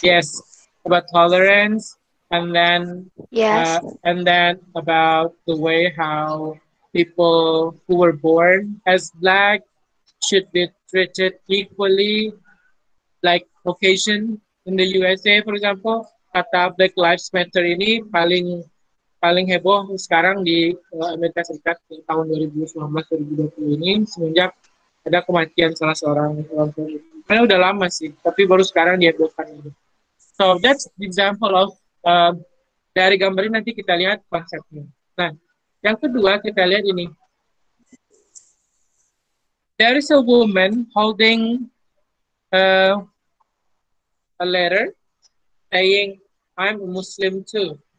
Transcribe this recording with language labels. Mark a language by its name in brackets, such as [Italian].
[English] Yes, about tolerance, and then about the way how people who were born as black should be treated equally, like Caucasian in the USA, for example. [Indonesian] Kata Black Lives Matter ini paling heboh sekarang di Amerika Serikat di tahun 2019-2020 ini, semenjak ada kematian salah seorang orang tua. Karena udah lama sih, tapi baru sekarang dia buatkan ini. [English] So that's the example of [Indonesian] dari gambar ini nanti kita lihat konsepnya. Nah, yang kedua kita lihat ini. [English] There is a woman holding a letter saying I'm a Muslim too.